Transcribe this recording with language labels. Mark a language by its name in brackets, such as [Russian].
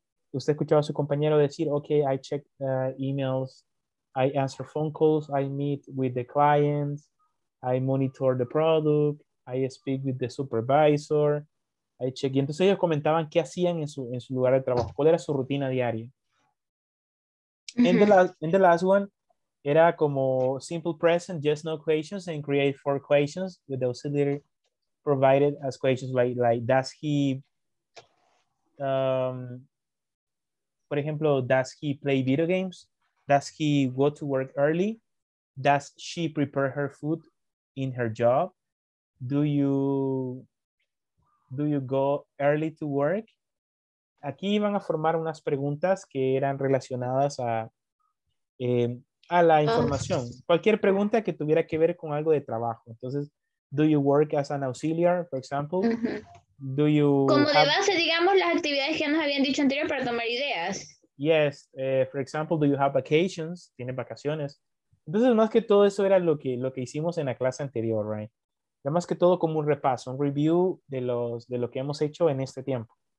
[Spanish] Usted escuchaba a su compañero decir, [English] okay, I check emails, I answer phone calls, I meet with the clients, I monitor the product, I speak with the supervisor, I check. [Spanish] Y entonces ellos comentaban qué hacían en su lugar de trabajo, cuál era su rutina diaria. [English] In the last one, [Spanish] era como [English] simple present, just no questions, and create four questions with the auxiliary provided as questions like does he... For example, does he play video games? Does he go to work early? Does she prepare her food in her job? Do you go early to work? [Spanish] Aquí iban a formar unas preguntas que eran relacionadas a la información. Cualquier pregunta que tuviera que ver con algo de trabajo. [English] Entonces, do you work as an auxiliar, for example? Do you [Spanish] como have... de base, digamos, las actividades que nos habían dicho anterior para tomar ideas. [English] Yes. For example, do you have vacations? [Spanish] ¿Tienes vacaciones? Entonces, más que todo eso era lo que hicimos en la clase anterior, right? Ya más que todo como un repaso, un review de lo que hemos hecho en este tiempo.